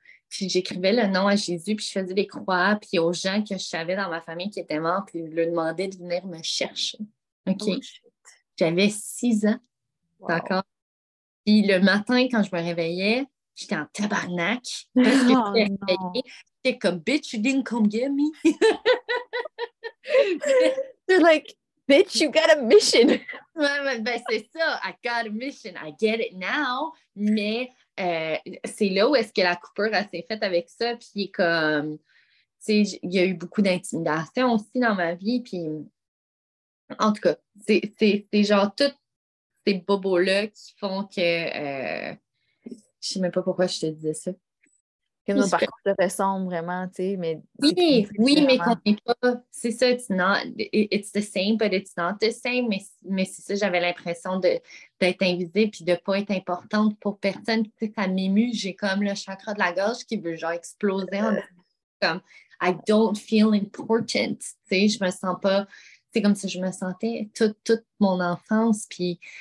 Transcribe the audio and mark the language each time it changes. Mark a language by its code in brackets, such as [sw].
[fr] Puis j'écrivais le nom à Jésus, puis je faisais des croix, puis aux gens que je savais dans ma famille qui étaient morts, puis je leur demandais de venir me chercher. OK? Oh, j'avais 6 ans. Wow. D'accord? Puis le matin, quand je me réveillais, j'étais en tabarnak. Parce que j'étais réveillée. [en] J'étais comme, bitch, you didn't come get me. They're like, bitch, you got a mission. [fr] Ben, c'est ça. [en] I got a mission. I get it now. [fr] Mais. C'est là où est-ce que la coupure s'est faite avec ça, puis comme tu sais, il y a eu beaucoup d'intimidation aussi dans ma vie, puis en tout cas, c'est genre tout ces bobos-là qui font que... je ne sais même pas pourquoi je te disais ça. Que nos parcours se ressemblent vraiment, tu sais, mais... Oui, oui, mais qu'on n'est pas... C'est ça, [en] it's not... It's the same, but it's not the same. [fr] Mais c'est ça, j'avais l'impression d'être invisible puis de ne pas être importante pour personne. Tu sais, ça m'émue. J'ai comme le chakra de la gorge qui veut genre exploser en... Comme, [en] I don't feel important. [fr] Tu sais, je ne me sens pas... C'est comme si je me sentais toute mon enfance, puis...